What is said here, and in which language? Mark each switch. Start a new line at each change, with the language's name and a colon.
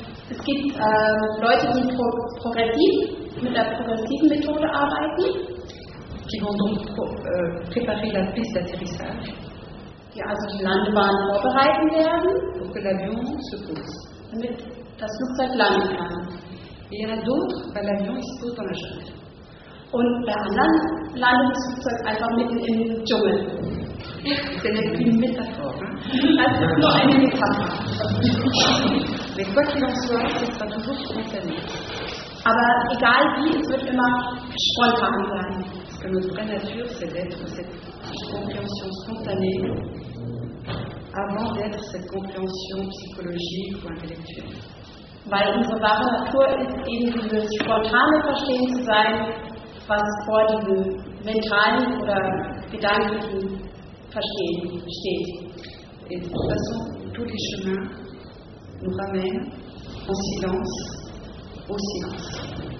German: Es gibt Leute, die progressiv mit der progressiven Methode arbeiten.
French: Qui vont donc préparer la piste d'atterrissage.
German: Die also die Landebahn vorbereiten werden.
French: Pour que l'avion se pose.
German: Damit das Flugzeug landen kann.
French: Et il y en a d'autres,
German: weil
French: l'avion se pose dans la jungle.
German: Und bei anderen landet das Flugzeug einfach mitten im Dschungel.
French: C'est une petite métaphore. C'est
German: nur eine Metapher.
French: Mais quoi qu'il en soit, ce sera toujours spontané.
German: Aber egal wie, es wird immer spontan sein.
French: Parce que notre vraie nature, c'est d'être cette compréhension spontanée avant d'être cette compréhension psychologique ou intellectuelle.
German: Weil unsere wahre Natur ist eben dieses spontane Verstehen zu sein, was vor diesem mentalen oder gedanklichen Verstehen steht.
French: Et de toute façon, tous les chemins nous ramènent au silence, au silence.